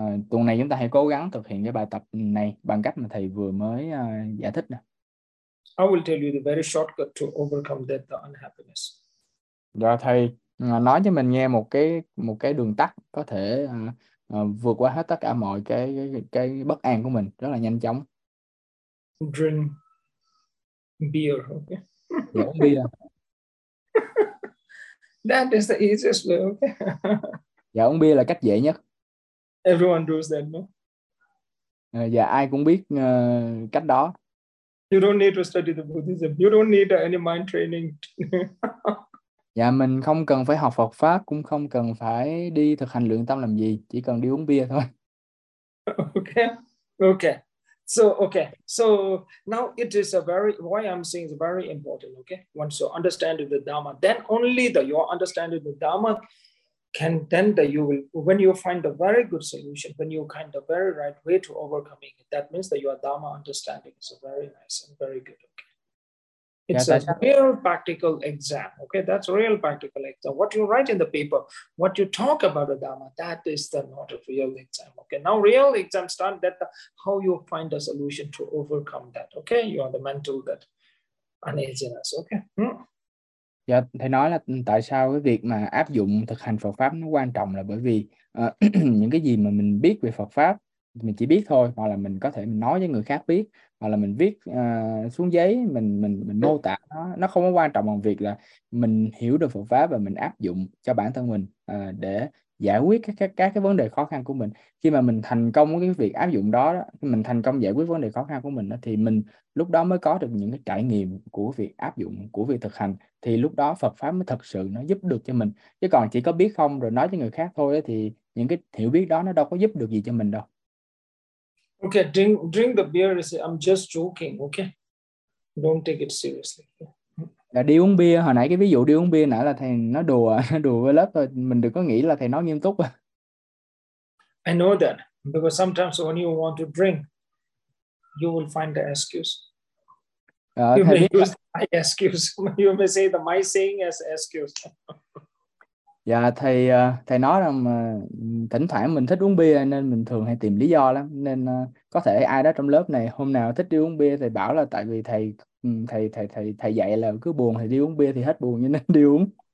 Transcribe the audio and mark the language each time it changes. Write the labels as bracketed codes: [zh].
[vi] Tuần này chúng ta hãy cố gắng thực hiện cái bài tập này bằng cách mà thầy vừa mới giải thích nè. [en] I will tell you the very shortcut to overcome that the unhappiness. [vi] Dạ, thầy nói cho mình nghe một cái đường tắt có thể vượt qua hết tất cả mọi cái bất an của mình rất là nhanh chóng. [en] Drink beer, okay? [vi] Uống bia. [en] That is the easiest way. Okay. [vi] Dạ, uống bia là cách dễ nhất. [en] Everyone knows that, no? [vi] Dạ, ai cũng biết cách đó. [en] You don't need to study the Buddhism. You don't need any mind training. [vi] Dạ, mình không cần phải học Phật Pháp, cũng không cần phải đi thực hành luyện tâm làm gì, chỉ cần đi uống bia thôi. [en] Okay. So now it is a very, why I'm saying it's very important, okay? Once you understand the Dhamma, then only the your understanding the Dhamma can then that you will, when you find a very good solution, when you find a very right way to overcoming it, that means that your Dhamma understanding is very nice and very good, okay? It's a real practical exam, okay? That's a real practical exam. What you write in the paper, what you talk about the Dhamma, that is the not a real exam, okay? Now real exam start that how you find a solution to overcome that, okay? You are the mental that uneasiness, okay? [vi] Dạ, thầy nói là tại sao cái việc mà áp dụng thực hành Phật Pháp nó quan trọng là bởi vì những cái gì mà mình biết về Phật Pháp mình chỉ biết thôi, hoặc là mình có thể mình nói với người khác biết, hoặc là mình viết xuống giấy, mình mô tả nó. Nó không có quan trọng bằng việc là mình hiểu được Phật pháp và mình áp dụng cho bản thân mình để giải quyết các cái vấn đề khó khăn của mình. Khi mà mình thành công với cái việc áp dụng đó, đó, mình thành công giải quyết vấn đề khó khăn của mình đó, thì mình lúc đó mới có được những cái trải nghiệm của việc áp dụng, của việc thực hành, thì lúc đó Phật pháp mới thật sự nó giúp được cho mình. Chứ còn chỉ có biết không rồi nói cho người khác thôi đó, thì những cái hiểu biết đó nó đâu có giúp được gì cho mình đâu. [en] Okay, drink the beer and say, "I'm just joking." Okay, don't take it seriously. [vi] Là đi uống bia, hồi nãy cái ví dụ đi uống bia nãy là thầy nói đùa, với lớp thôi, mình đừng có nghĩ là thầy nói nghiêm túc. [en] I know that because sometimes when you want to drink, you will find the excuse. You may [vi] biết là [en] use my excuse. You may say the my saying as excuse. [vi] dạ thầy thầy nói rằng thỉnh thoảng mình thích uống bia nên mình thường hay tìm lý do lắm, nên có thể ai đó trong lớp này hôm nào thích đi uống bia thì bảo là tại vì thầy thầy thầy thầy thầy dạy là cứ buồn thì đi uống bia thì hết buồn, cho nên đi uống.